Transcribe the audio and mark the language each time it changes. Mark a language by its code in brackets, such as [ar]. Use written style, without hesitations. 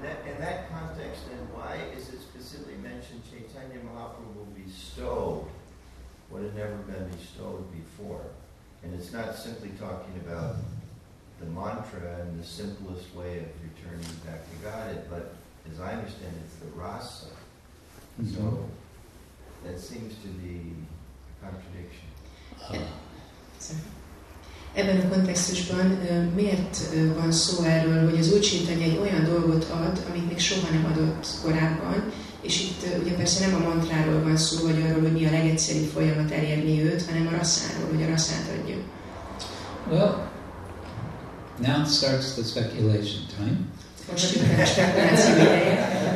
[en] In that context, then, why is it specifically mentioned Chaitanya Mahaprabhu will bestow what had never been bestowed before? And it's not simply talking about the mantra and the simplest way of returning back to God, but as I understand it's the rasa. Mm-hmm. So that seems to be a contradiction. [hu] Ebben a kontextusban miért van szó erről, hogy az Úr Csaitanya egy olyan dolgot ad, amit még soha nem adott korábban, és itt ugye persze nem a mantráról van szó, vagy arról, hogy mi a legegyszerűbb folyamat elérni őt, hanem a rasszáról, hogy a rasszát adjuk. [en] Well, now starts the speculation time. [hu] Most jön a spekuláció ideje.